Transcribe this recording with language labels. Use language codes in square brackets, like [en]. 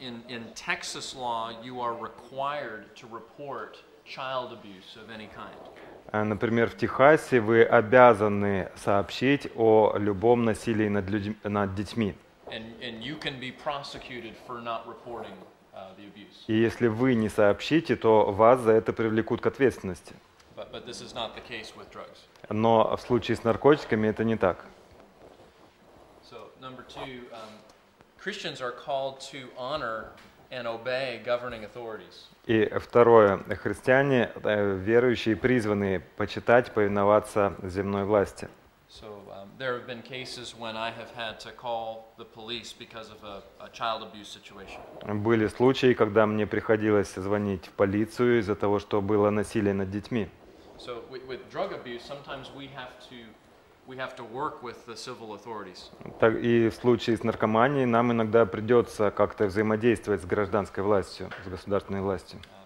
[en] In Texas law, you are required to report child abuse of any kind. [ru] Например, в Техасе вы обязаны сообщить о любом насилии над людьми, над детьми. [en] And you can be prosecuted for not reporting the abuse. [ru] И если вы не сообщите, то вас за это привлекут к ответственности. [en] But this is not the case with drugs. [ru] Но в случае с наркотиками это не так. [en] So number two. Christians are called to honor and obey governing authorities. [ru] И второе, христиане, верующие, призваны почитать, повиноваться земной власти. [en] So there have been cases when I have had to call the police because of a child abuse situation. [ru] Были случаи, когда мне приходилось звонить в полицию из-за того, что было насилие над детьми. [en] So with drug abuse, sometimes we have to work with the civil authorities. [ru] Так и в случае с наркоманией нам иногда придется как-то взаимодействовать с гражданской властью, с государственной властью.